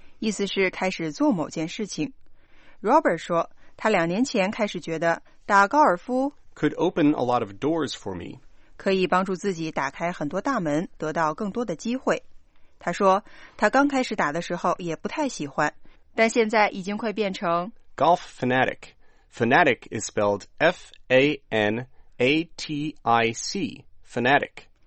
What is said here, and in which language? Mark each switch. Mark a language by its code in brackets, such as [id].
[zh] 意思是开始做某件事情。 Robert 说他两年前开始觉得打高尔夫 [en] could open a lot of doors for me. [zh] 可以帮助自己打开很多大门，得到更多的机会。他说他刚开始打的时候也不太喜欢，但现在已经快变成 [en] golf fanatic. Fanatic is spelled F-A-N-A-T-I-C, fanatic.